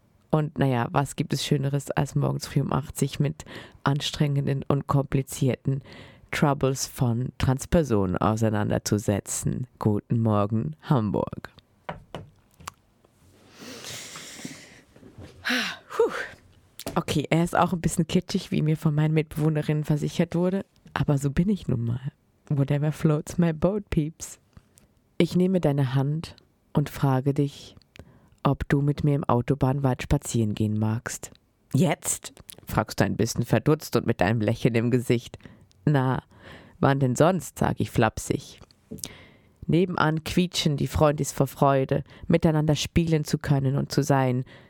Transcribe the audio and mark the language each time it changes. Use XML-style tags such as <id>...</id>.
<de>Und naja, was gibt es Schöneres, als morgens früh um 8 sich mit anstrengenden und komplizierten Troubles von Transpersonen auseinanderzusetzen. Guten Morgen, Hamburg. Okay, er ist auch ein bisschen kitschig, wie mir von meinen Mitbewohnerinnen versichert wurde, aber so bin ich nun mal.</de> <en>Whatever floats my boat, peeps.</en> <de>Ich nehme deine Hand und frage dich, ob du mit mir im Autobahnwald spazieren gehen magst. Jetzt? Fragst du ein bisschen verdutzt und mit einem Lächeln im Gesicht. Na, wann denn sonst, sage ich flapsig. Nebenan quietschen die Freundis vor Freude, miteinander spielen zu können und zu sein.</de>